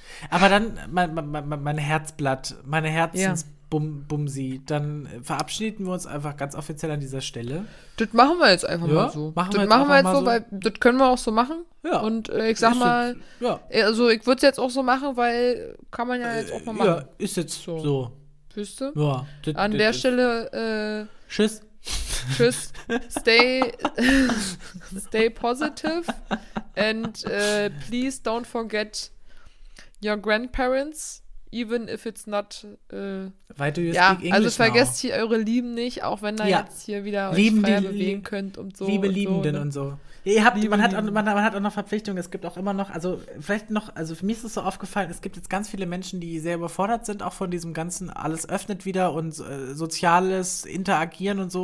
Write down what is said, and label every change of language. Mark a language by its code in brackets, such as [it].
[de] Aber dann mein Herzblatt, meine Herzensbumsi, ja. Dann verabschieden wir uns einfach ganz offiziell an dieser Stelle. Das machen wir jetzt einfach mal so. Machen wir jetzt so, weil das können wir auch so machen. Ja. Und ich sag mal, also ich würde es jetzt auch so machen, weil kann man ja jetzt auch mal machen. Ja, ist jetzt so. Wüsste? Ja. An der Stelle. Tschüss. Tschüss, [en] stay positive and please don't forget your grandparents, even if it's not. Why do you speak English? [de] Also vergesst hier eure Lieben nicht, auch wenn ihr jetzt hier wieder Lieben, euch frei bewegen könnt und so. Liebe und Liebenden so, ne? Und so. Ihr habt, man hat auch noch Verpflichtungen, es gibt auch immer noch, für mich ist es so aufgefallen, es gibt jetzt ganz viele Menschen, die sehr überfordert sind, auch von diesem ganzen, alles öffnet wieder und soziales Interagieren und so,